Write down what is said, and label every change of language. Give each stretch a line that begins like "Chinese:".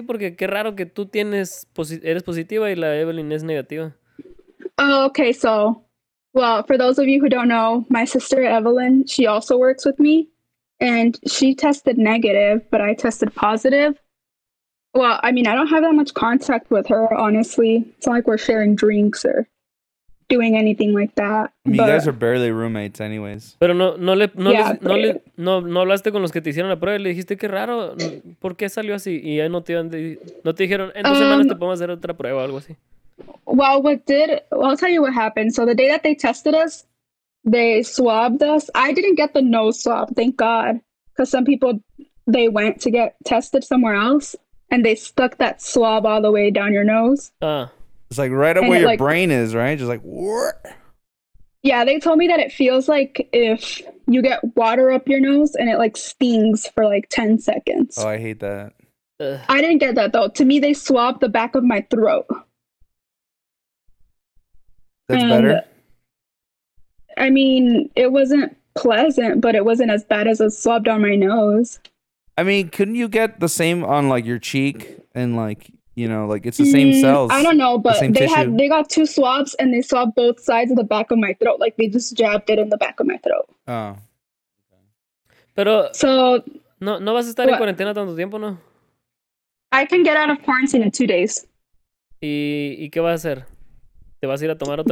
Spanish: Porque qué raro que tú eres positiva y la Evelyn es negativa.
English: Oh, okay, so, well, for those of you who don't know, my sister Evelyn, she also works with me, and she tested negative, but I tested positive. Well, I mean, I don't have that much contact with her, honestly. It's not like we're sharing drinks or doing anything like that. You guys are barely roommates anyways.
Spanish: Pero no hablaste con los que te hicieron la prueba y le dijiste qué raro, ¿por qué salió así? Y ya no te dijeron, en dos semanas te podemos hacer otra prueba o algo así.
English: Well, I'll tell you what happened. So the day that they tested us, they swabbed us. I didn't get the nose swab, thank God. Because some people, they went to get tested somewhere else and they stuck that swab all the way down your nose. It's like right up and where your brain is, right? Just like, what? Yeah, they told me that it feels like if you get water up your nose and it like stings for like 10 seconds. Oh, I hate that. Ugh. I didn't get that though. To me, they swabbed the back of my throat. That's better? I mean, it wasn't pleasant, but it wasn't as bad as a swab down my nose. I mean, couldn't you get the same on like your cheek and like... You know, like it's the same cells. I don't know, but they got two swabs and they swabbed both sides of the back of my throat. Like they just jabbed it in the back of my throat. Oh.
Spanish: Pero
English: so
Spanish: no vas a estar en cuarentena tanto tiempo, ¿no?
English: I can get out of quarantine in 2 days.
Spanish: ¿Y qué vas a hacer? ¿Te vas a ir a tomar otra